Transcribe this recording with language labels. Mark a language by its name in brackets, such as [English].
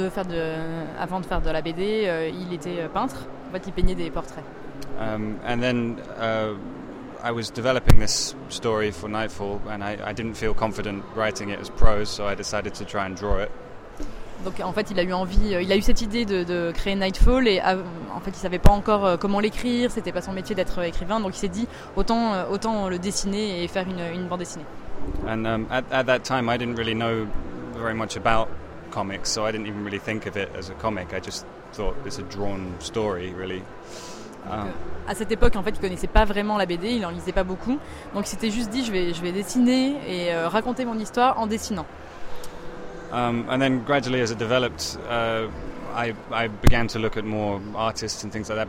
[French] So, avant de faire de la BD, il était peintre. En fait, il peignait des portraits. [English] And then I was developing this story for Nightfall, and I didn't feel confident writing it as prose, so I decided to try and draw it. [French] Donc en fait, il a eu cette idée de créer Nightfall et en fait, il savait pas encore comment l'écrire, c'était pas son métier d'être écrivain, donc il s'est dit autant le dessiner et faire une bande dessinée. [English] And at that time, I didn't really know very much about comics, so I didn't even really think of it as a comic. I just thought it's a drawn story, really. [French] À cette époque, en fait, il connaissait pas vraiment la BD, il en lisait pas beaucoup, donc il s'était juste dit je vais dessiner et raconter mon histoire en dessinant. [English] And then gradually, as it developed, I began to look at more artists and things like that.